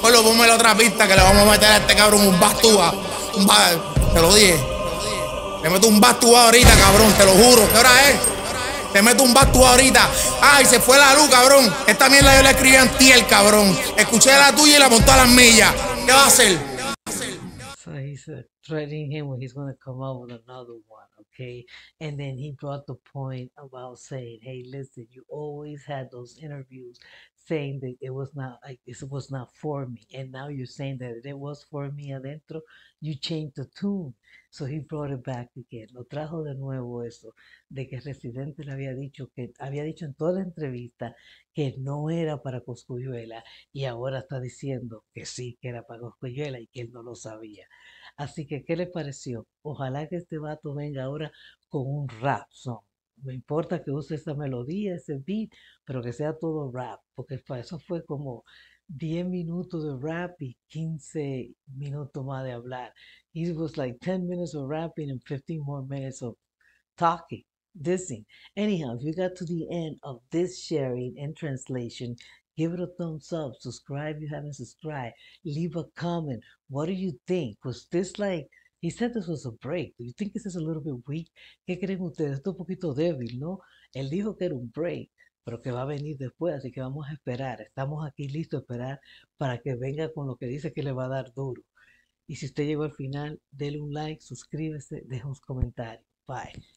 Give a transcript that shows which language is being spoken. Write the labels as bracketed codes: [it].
[es] Bueno, ponme la otra pista que le vamos a meter a este cabrón un bastúa. Te lo dije. Te meto un bastúa ahorita, cabrón, te lo juro. ¿Qué hora es? Te meto un bastúa ahorita. Ay, se fue la luz, cabrón. Esta mierda yo la escribí a Antiel, cabrón. Escuché la tuya y la montó a las millas. ¿Qué va a hacer? [en] He said, threatening him when he's going to come up with another one, okay? And then he brought the point about saying, hey, listen, you always had those interviews saying that it was not like it was not for me. And now you're saying that it was for me adentro. You changed the tune. So he brought it back again. [es] Lo trajo de nuevo eso, de que Residente le había dicho, que había dicho en toda la entrevista que no era para Cosculluela, y ahora está diciendo que sí, que era para Cosculluela y que él no lo sabía. Así que, ¿qué le pareció? Ojalá que este vato venga ahora con un rap song. Me importa que use esa melodía, ese beat, pero que sea todo rap, porque para eso fue como 10 minutos de rap y 15 minutos más de hablar. [en] It was like 10 minutes of rapping and 15 more minutes of talking, dissing. Anyhow, if you got to the end of this sharing and translation, give it a thumbs up, subscribe if you haven't subscribed, leave a comment. What do you think? Was this like, he said this was a break. Do you think this is a little bit weak? [es] ¿Qué creen ustedes? Esto es un poquito débil, ¿no? Él dijo que era un break, pero que va a venir después, así que vamos a esperar. Estamos aquí listos a esperar para que venga con lo que dice que le va a dar duro. Y si usted llegó al final, dele un like, suscríbese, deje un comentario. Bye.